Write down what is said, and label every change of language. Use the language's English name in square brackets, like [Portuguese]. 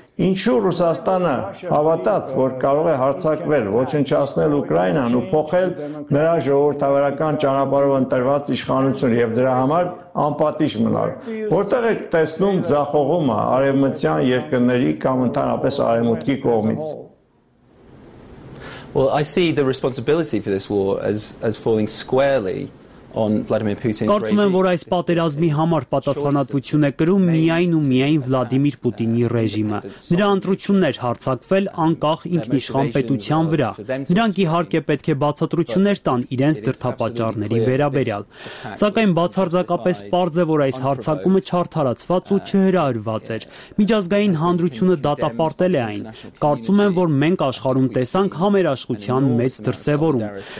[Armenian] Ինչու Ռուսաստանը հավատաց, որ կարող է հարձակվել, ոչնչացնել Ուկրաինան ու փոխել նրա ժողովրդավարական ճանապարհով ընտրված իշխանություն և դրա համար անպատիժ մնալ։ Որտեղ եք տեսնում ձախողումը արևմտյան երկրների կամ ընդհանրապես արևմուտքի կողմից։ [English] Well, I see the responsibility for this war as falling squarely on Vladimir Putin's regime. [Armenian] Կարծում եմ, որ այս պատերազմի համար պատասխանատվություն է կրում միայն ու միայն Վլադիմիր Պուտինի ռեժիմը։ Նրա ընտրությունն էր հարցակվել անկախ ինքնիշխան պետության վրա։ Նրանք իհարկե պետք է բացատրություններ տան իրենց դրդապատճառների վերաբերյալ։ Սակայն բացարձակապես պարզ է, որ այս հարցակումը չարթարացված ու չհրարված էր։ Միջազգային հանրությունը դատապարտել է այն։ Կարծում եմ, որ մենք աշխարհում տեսանք համերաշխության մեծ դրսևորում։